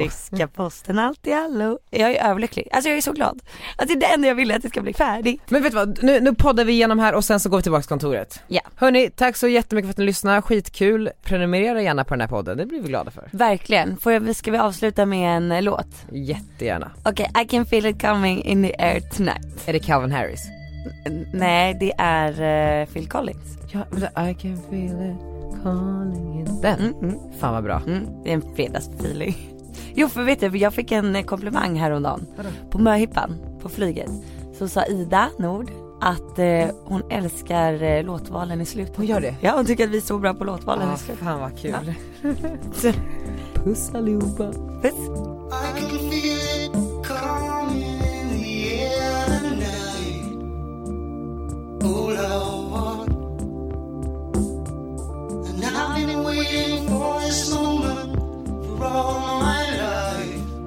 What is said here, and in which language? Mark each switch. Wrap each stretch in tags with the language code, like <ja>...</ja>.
<sv>Ryska posten allt i allo. Jag är överlycklig. Alltså jag är så glad. Alltså det är det enda jag ville, att det ska bli färdigt. Men vet du vad, nu poddar vi igenom här och sen så går vi tillbaka till kontoret. Ja. Hörrni, tack så jättemycket för att ni lyssnade. Skitkul. Prenumerera gärna på den här podden. Det blir vi glada för. Verkligen. Ska vi avsluta med en låt? Jättegärna.</sv> <en>Okej, okay, I can feel it coming in the air tonight.</en> <sv>Är det Calvin Harris? Nej, det är Phil Collins.</sv> <en>Ja, I can feel it calling in.</en> <sv>Den, fan vad bra. Det är en fredagsfeeling. Jo, för vet du, jag fick en komplimang häromdagen. Vadå? På möhippan, på flyget. Så sa Ida Nord att hon älskar låtvalen i slutet. Hon gör det? Ja, hon tycker att vi är så bra på låtvalen i slutet. Fan vad kul, ja. Puss allihopa. Puss.</sv> <en>I can feel it coming in the air. Oh Lord, and I've been waiting for this moment for all my life.</en>